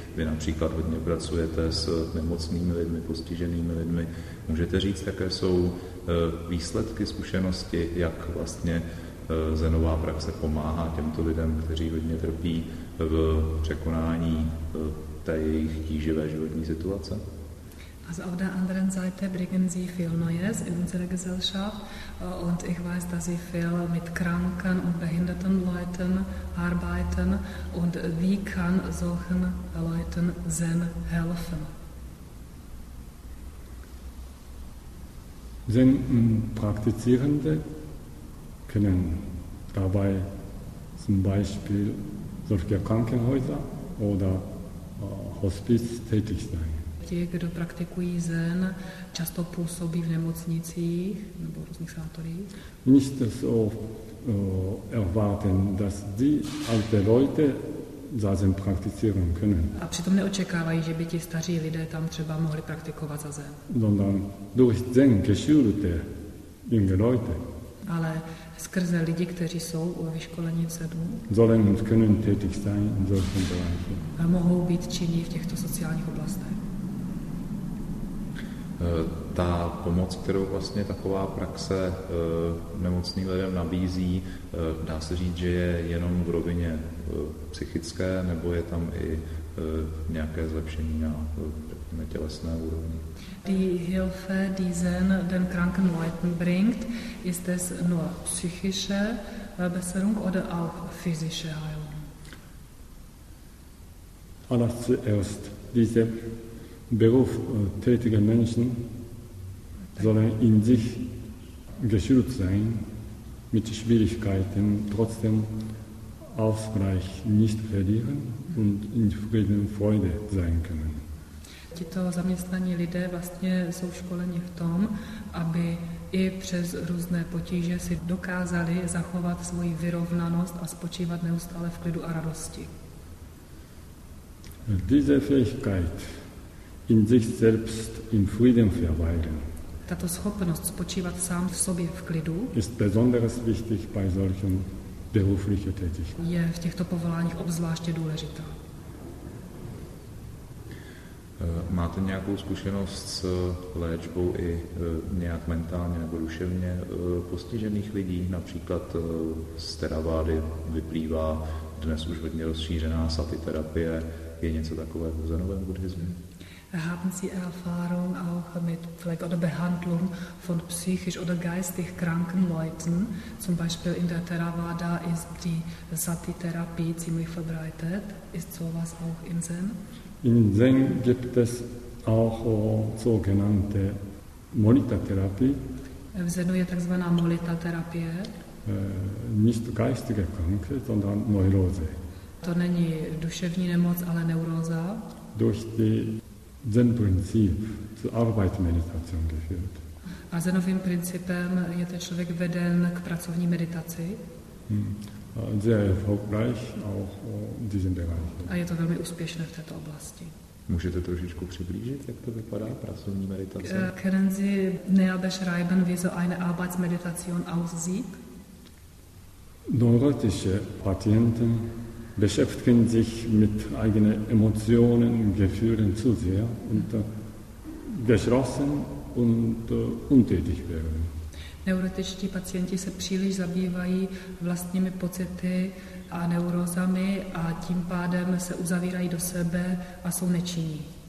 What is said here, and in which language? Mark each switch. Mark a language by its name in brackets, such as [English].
[Czech] Vy například hodně pracujete s nemocnými lidmi, postiženými lidmi. Můžete říct, jaké jsou výsledky zkušenosti, jak vlastně zenová praxe pomáhá těmto lidem, kteří hodně trpí v překonání té jejich tíživé životní situace? [German] Also auf der anderen Seite bringen Sie viel Neues in unsere Gesellschaft und ich weiß, dass Sie viel mit kranken und behinderten Leuten arbeiten und wie kann solchen Leuten Zen helfen? Zen-Praktizierende können dabei zum Beispiel solche Krankenhäuser oder Hospiz tätig sein. [Czech] Ti, kdo praktikují zen, často působí v nemocnicích nebo různých sanatoriích. [German] Nicht so erwarten, dass die alte Leute zazen praktizieren können. [Czech] A přitom neočekávají, že by ti staří lidé tam třeba mohli praktikovat zazen. [German] Sondern durch zen geschulte junge Leute. [Czech] Ale skrze lidi, kteří jsou vyškoleni v zenu. [German] Sollen und können tätig sein in solchen Bereichen. [Czech] A mohou být činní v těchto sociálních oblastech. Ta pomoc, kterou vlastně taková praxe nemocným lidem nabízí, dá se říct, že je jenom v rovině psychické, nebo je tam i nějaké zlepšení na tělesné úrovni? [German] Die Hilfe, die Zen den kranken Leuten bringt, ist es nur psychische Besserung oder auch physische Heilung? Alles zuerst, diese Beruf tätige Menschen sollen in sich geschult sein, mit Schwierigkeiten trotzdem Ausgleich nicht verlieren und in Frieden und Freude sein können. [Czech] Tito zaměstnaní lidé vlastně jsou školeni v tom, aby i přes různé potíže si dokázali zachovat svoji vyrovnanost a spočívat neustále v klidu a radosti. [German] Diese Fähigkeit in sich selbst in Frieden verweilen. [Czech] Tato schopnost spočívat sám v sobě v klidu [German] ist besonders wichtig bei solchen beruflichen Tätigkeiten. [Czech] Je v těchto povoláních obzvláště důležitá. Máte nějakou zkušenost s léčbou i nějak mentálně nebo duševně postižených lidí? Například z teravády vyplývá dnes už hodně rozšířená satyterapie. Je něco takového v zenovém buddhismu? [German] Haben Sie Erfahrung auch mit Pflege oder Behandlung von psychisch oder geistig kranken Leuten? Zum Beispiel in der Theravada ist die Sati-Therapie ziemlich verbreitet. Ist sowas auch in Zen? In Zen gibt es auch sogenannte Molita-Therapie. [Czech] V Zenu je takzvaná Molita-Therapie. [German] Nicht geistige Kranke, sondern Neurose. [Czech] To není duševní nemoc, ale neuróza. [German] Durch die Zen-Prinzip zur Arbeitsmeditation geführt. [Czech] A zenovým principem je ten člověk veden k pracovní meditaci. [German] Sehr erfolgreich auch in diesem Bereich. [Czech] A je to velmi úspěšné v této oblasti. Můžete trošičku přiblížit, jak to vypadá pracovní meditace? [German] Können Sie näher beschreiben, wie so eine Arbeitsmeditation aussieht? Neurotische Patienten beschäftigen sich mit eigenen Emotionen und Gefühlen zu sehr und geschlossen und untätig werden. [Czech] Neurotičtí pacienti se příliš zabývají vlastními pocity a neurozami a tím pádem se uzavírají do sebe a jsou nečinní.